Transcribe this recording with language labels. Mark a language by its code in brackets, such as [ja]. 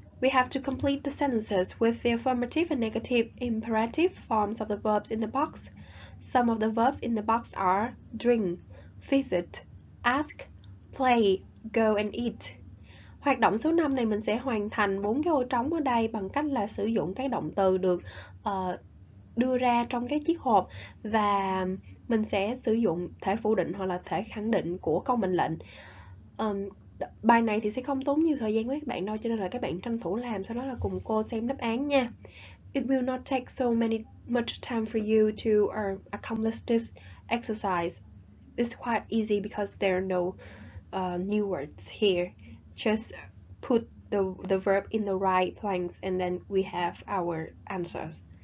[en] We have to complete the sentences with the affirmative and negative imperative forms of the verbs in the box. Some of the verbs in the box are drink, visit, ask, play, go and eat. [vi] Hoạt động số 5 này mình sẽ hoàn thành 4 cái ô trống ở đây bằng cách là sử dụng cái động từ được đưa ra trong cái chiếc hộp và mình sẽ sử dụng thể phủ định hoặc là thể khẳng định của câu mệnh lệnh. Bài này thì sẽ không tốn nhiều thời gian với các bạn đâu, cho nên là các bạn tranh thủ làm, sau đó là cùng cô xem đáp án nha. [en] It will not take so many much time for you to accomplish this exercise. It's quite easy because there are no new words here. Just put the verb in the right place and then we have our answers.